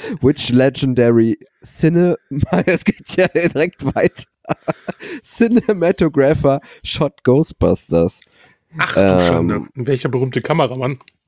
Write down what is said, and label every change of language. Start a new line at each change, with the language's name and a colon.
English: Which legendary cinema,
German: es geht ja direkt weiter.
English: Cinematographer shot Ghostbusters.
German: Ach du Schande, welcher berühmte Kameramann.